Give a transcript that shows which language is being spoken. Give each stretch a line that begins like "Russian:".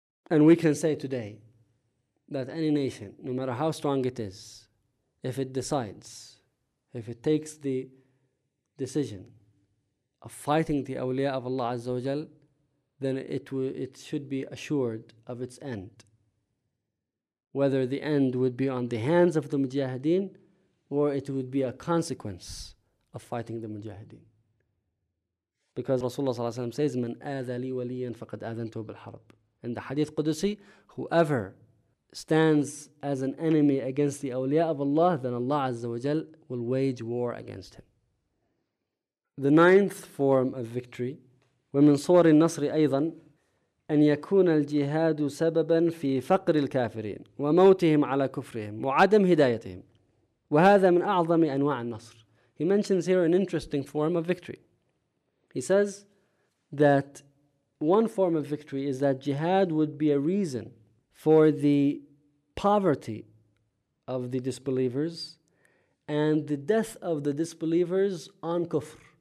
English: And we can say today that any nation, no matter how strong it is, if it decides, if it takes the decision of fighting the awliya of Allah Azza wa Jal, then it should be assured of its end. Whether the end would be on the hands of the mujahideen or it would be a consequence of fighting the mujahideen. Because Rasulullah ﷺ says,
Arabic: مَنْ آذَى لِي وَلِيًّا فَقَدْ آذَنْتُهُ بِالْحَرَبِ.
English: In the Hadith Qudusi, whoever stands as an enemy against the awliya of Allah, then Allah Azza wa Jal will wage war against him. The ninth form of victory,
Arabic: وَمِنْ صُوَرِ النَّصْرِ أَيْضًا أَنْ يَكُونَ الْجِهَادُ سَبَبًا فِي فَقْرِ الْكَافِرِينَ وَمَوْتِهِمْ عَلَى كُفْرِهِمْ وَعَدَمْ هِدَايَتِهِمْ وَهَذَا مِنْ أَعْظَمِ أَنْوَاعِ النَّصْرِ.
English: He mentions here an interesting form of victory. He says that one form of victory is that jihad would be a reason for the poverty of the disbelievers and the death of the disbelievers on kufr.